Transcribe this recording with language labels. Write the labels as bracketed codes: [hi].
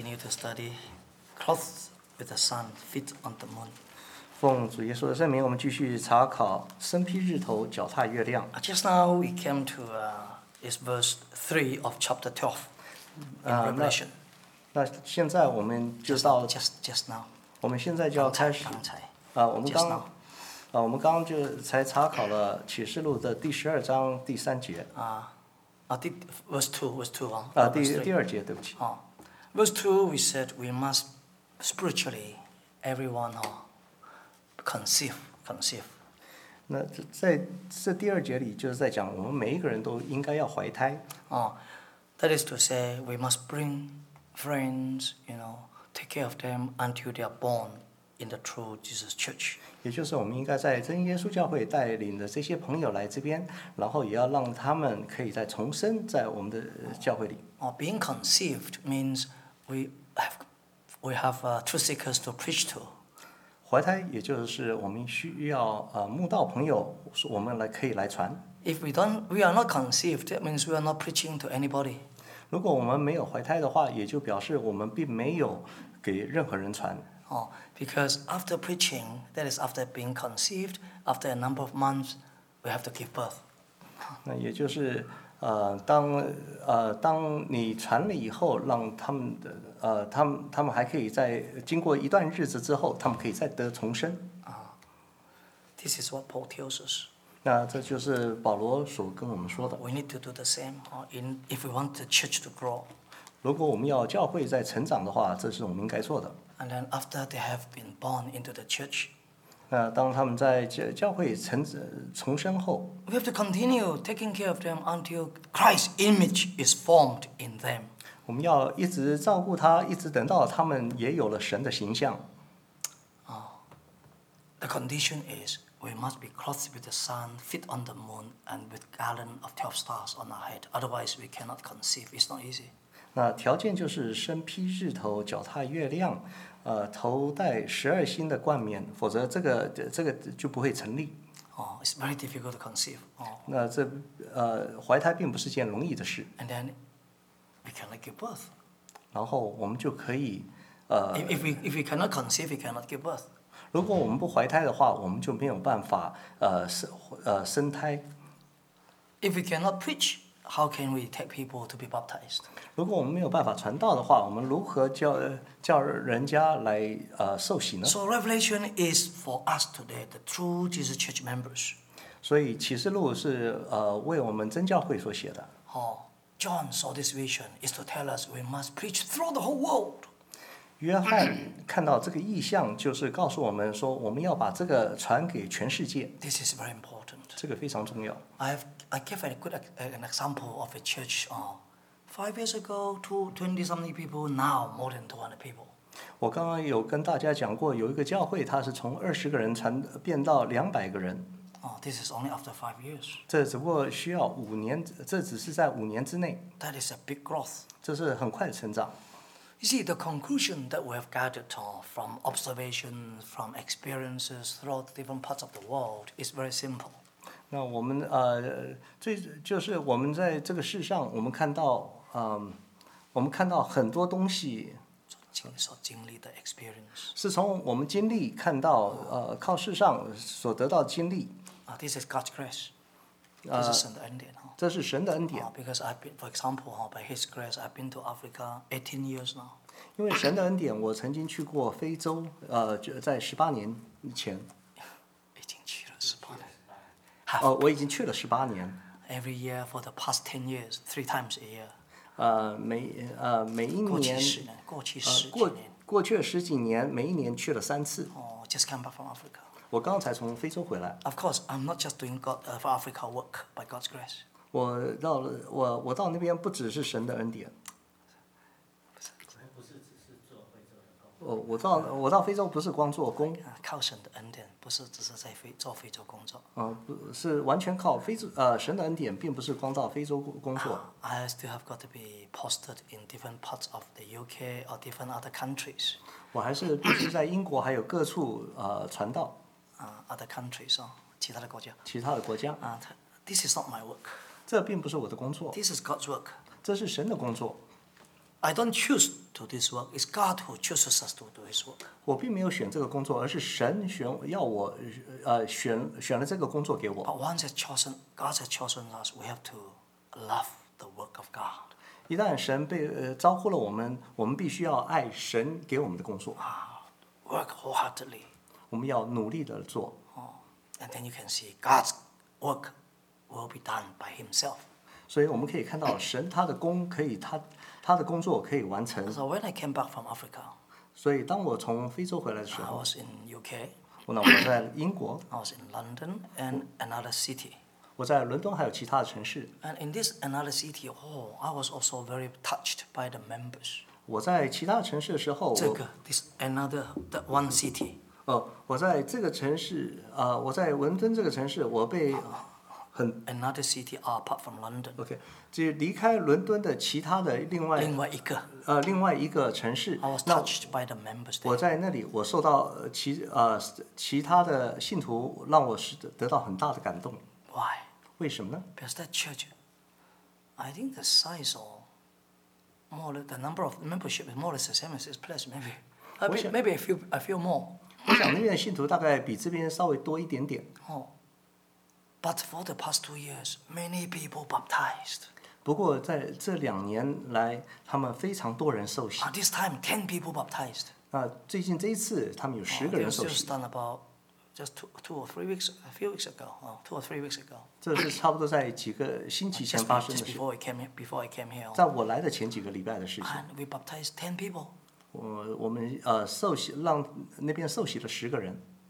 [en] continue to study, clothed with the sun, feet on the moon. [zh] 奉主耶稣的圣名，我们继续查考身披日头，脚踏月亮。 [en] Just now we came to is verse 3 of chapter 12 in Revelation. [zh] 那现在我们就到了。 [en] Just now. [zh] 我们现在就要开始。刚才。我们刚就才查考了启示录的第十二章第三节。第二节，对不起。 [en] Verse 2, we said we must spiritually, everyone, conceive. [zh] 那在这第二节里就是在讲我们每一个人都应该要怀胎。 [en] That is to say, we must bring friends, you know, take care of them until they are born in the true Jesus Church. [zh] 也就是我们应该在真耶稣教会带领的这些朋友来这边，然后也要让他们可以再重生在我们的教会里。 [en] Being conceived means we have true seekers to preach to. [zh] 怀胎也就是我们需要慕道朋友，我们来可以来传。 [en] If we are not conceived, that means we are not preaching to anybody. [zh] 如果我们没有怀胎的话，也就表示我们并没有给任何人传。 [en] Because after preaching, that is after being conceived, after a number of months, we have to give birth. [zh] 那也就是当你传了以后，让他们还可以在经过一段日子之后，他们可以再得重生。 [en] This is what Paul tells us. [zh] 那这就是保罗所跟我们说的。 [en] We need to do the same, if we want the church to grow. [zh] 如果我们要教会在成长的话，这是我们应该做的。 [en] And then after they have been born into the church, [zh] 那当他们在教会重生后 [en] ，we have to continue taking care of them until Christ's image is formed in them. [zh] 我们要一直照顾他，一直等到他们也有了神的形象。 [en] The condition is we must be clothed with the sun, feet on the moon, and with garland of 12 stars on our head. Otherwise, we cannot conceive. It's not easy. [zh] 那条件就是身披日头，脚踏月亮。头戴十二星的冠冕，否则这个就不会成立。 [en] It's very difficult to conceive. [zh] 那这怀胎并不是件容易的事。 [en] And then we cannot give birth. [zh] 然后我们就可以 [en] If we cannot conceive, we cannot give birth. [zh] 如果我们不怀胎的话，我们就没有办法生胎。 [en] If we cannot preach, how can we take people to be baptized? [zh] 如果我们没有办法传道的话，我们如何叫人家来受洗呢？ [en] So Revelation is for us today, the true Jesus Church members. [zh] 所以启示录是为我们真教会所写的。 [en] John saw this vision is to tell us we must preach throughout the whole world. [zh] 约翰看到这个意象，就是告诉我们说我们要把这个传给全世界。 [en] This is very important. [zh] 这个非常重要。 [en] I give a good an example of a church. 5 years ago, 20 something people, now more than 200 people. [zh] 我刚刚有跟大家讲过，有一个教会，它是从20个人传变到200个人。 [en] This is only after 5 years. [zh] 这只不过需要五年，这只是在五年之内。 [en] That is a big growth. [zh] 这是很快的成长。 [en] You see, the conclusion that we have gathered from observations, from experiences throughout different parts of the world is very simple. [zh] 那我们最就是我们在这个世上，我们看到我们看到很多东西所经历的 experience 是从我们经历看到靠世上所得到经历。 [en] This is God's grace. This is [zh] 神的恩典。这是神的恩典。 [en] Because I've been, for example, by His grace, I've been to Africa 18 years now. [zh] 因为神的恩典，我曾经去过非洲，在18年以前。已经去了18年。我已经去了18年。 [en] Every year for the past 10 years, 3 times a year. [zh] 每一年。过去十几年，每一年去了3次。 [en] Just come back from Africa. [zh] 我刚才从非洲回来。 [en] Of course, I'm not just doing God for Africa work by God's grace. [zh] 我到那边不只是神的恩典。我到非洲不是光做工，靠神的恩典，不是只是在非洲工作。是完全靠非洲神的恩典，并不是光到非洲工作。 [en] I still have got to be posted in different parts of the UK or different other countries. [zh] 我还是必须在英国还有各处传道。 [en] Other countries [zh] 其他的国家。其他的国家。 [en] This is not my work. [zh] 这并不是我的工作。 [en] This is God's work. [zh] 这是神的工作。 [en] I don't choose to this work. It's God who chooses us to do His work. [zh] 我并没有选这个工作，而是神选要我，选了这个工作给我。 [en] But once it's chosen, God has chosen us. We have to love the work of God. [zh] 一旦神被招呼了我们，我们必须要爱神给我们的工作。 [en] Work wholeheartedly. [zh] 我们要努力的做。 [en] And then you can see God's work will be done by Himself. [zh] 所以我们可以看到神他的工可以他的工作可以完成。 [en] So when I came back from Africa, [zh] 所以当我从非洲回来的时候 [en] I was in UK, [zh] 我在英国 [en] I was in London and another city. [zh] 我在伦敦还有其他的城市 [en] And in this another city, I was also very touched by the members. [zh] 我在其他城市的时候这个 [en] this another the one city. [zh] 我在这个城市我在伦敦这个城市我被很 [en] another city apart from London [zh] okay 就离开伦敦的其他的另外一个另外一个城市 [en] I was touched by the members there [zh] 我在那里我受到其他的信徒让我得到很大的感动 [en] why [zh] 为什么呢 [en] because that church I think the size or more the number of membership is more or less the same as this place maybe a few more [zh] 我想那边的信徒大概比这边稍微多一点点。 [en] But for the past 2 years, many people baptized. [zh] 不过在这两年来，他们非常多人受洗。 [en] At this time, 10 people baptized. [zh] 最近这一次，他们有十个人受洗。 [en] Just done about just two or three weeks ago. Two or three weeks ago. [zh] 这是差不多在几个星期前发生的事。 [en] Just before I came here. [zh] 在我来的前几个礼拜的事情。 [en] And we baptized 10 people. [zh] 我们受洗让那边受洗了十个人